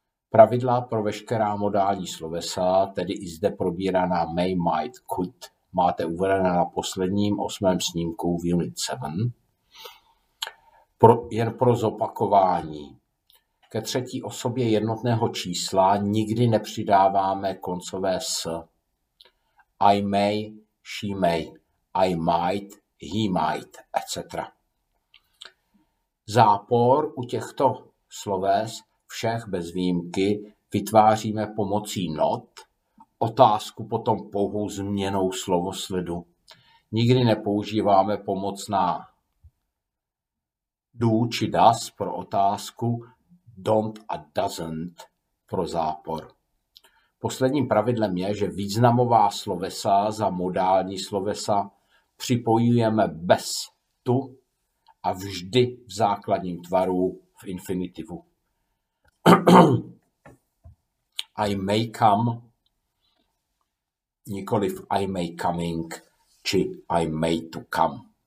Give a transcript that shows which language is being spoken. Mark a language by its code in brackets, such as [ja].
[cs] Pravidla pro veškerá modální slovesa, tedy i zde probíraná may, might, could, máte uvedené na posledním 8. snímku v Unit 7. Jen pro zopakování. Ke třetí osobě jednotného čísla nikdy nepřidáváme koncové s. [en] I may, she may, I might, he might, etc. [cs] Zápor u těchto sloves všech bez výjimky vytváříme pomocí not, otázku potom pouhou změnou slovosledu. Nikdy nepoužíváme pomocná do či does pro otázku, don't a doesn't pro zápor. Posledním pravidlem je, že významová slovesa za modální slovesa připojujeme bez tu a vždy v základním tvaru v infinitivu. [en] I may come, [cs] nikoliv [en] I may coming, [cs] či [en] I may to come.